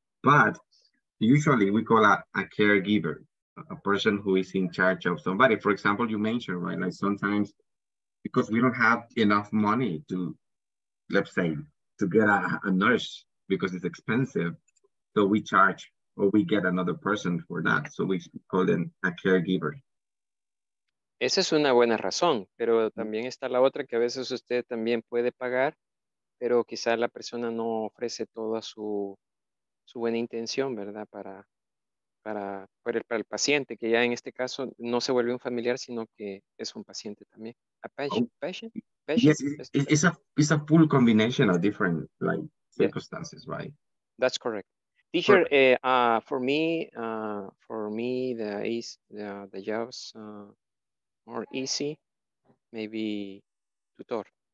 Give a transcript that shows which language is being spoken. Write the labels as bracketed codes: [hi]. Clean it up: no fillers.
[en] But usually we call that a caregiver, a person who is in charge of somebody. For example, you mentioned, right? Like sometimes because we don't have enough money to, let's say, to get a nurse because it's expensive, so we charge or we get another person for that, so we call them a caregiver. [es] Esa es una buena razón, pero también está la otra que a veces usted también puede pagar, pero quizá la persona no ofrece toda su buena intención, ¿verdad? Para el paciente, que ya en este caso no se vuelve un familiar, sino que es un paciente también. [en] A patient. Yes, it's a full combination of different like circumstances, right? That's correct. Teacher, for me, the jobs more easy, maybe tutor.